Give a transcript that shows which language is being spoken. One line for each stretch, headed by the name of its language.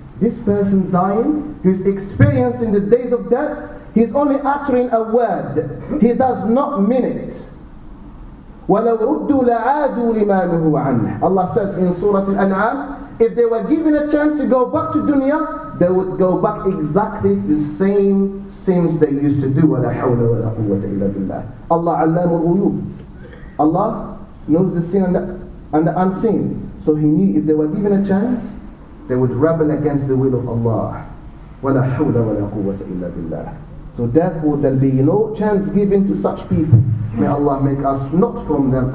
English: This person dying, who's experiencing the days of death, he's only uttering a word. He does not mean it.
Arabic: ولو ردوا لعادوا لما نهوا عنه.
English: Allah says in Surah Al-An'am, if they were given a chance to go back to dunya, they would go back exactly the same sins they used to do.
Arabic: ولا حول ولا قوة إلا بالله. Allah علام الغيوب.
English: Allah knows the seen and the unseen. So he knew if they were given a chance, they would rebel against the will of Allah.
Arabic: وَلَا حَوْلَ وَلَا قُوَّةَ إِلَّا بِاللَّهِ.
English: So therefore, there'll be no chance given to such people. May Allah make us not from them.